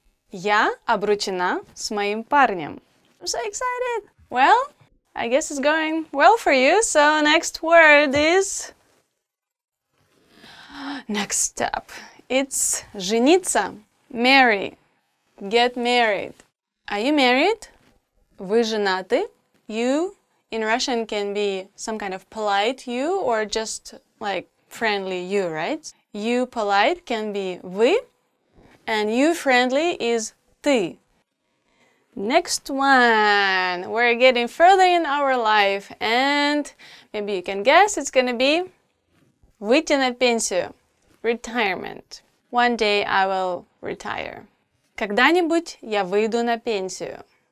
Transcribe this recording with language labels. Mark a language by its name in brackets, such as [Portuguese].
[Russian] Я обручена с моим парнем. [English] I'm so excited. Well, I guess it's going well for you. So next word is... Next step. It's жениться. Marry. Get married. Are you married? [Russian] Вы женаты? [English] You in Russian can be some kind of polite you, or just like... Friendly you, right? You polite can be вы, and you friendly is ты. Next one, we're getting further in our life, and maybe you can guess, it's gonna be [Russian] выйти на пенсию, [English] retirement. One day I will retire. [Russian] Когда-нибудь я выйду на пенсию.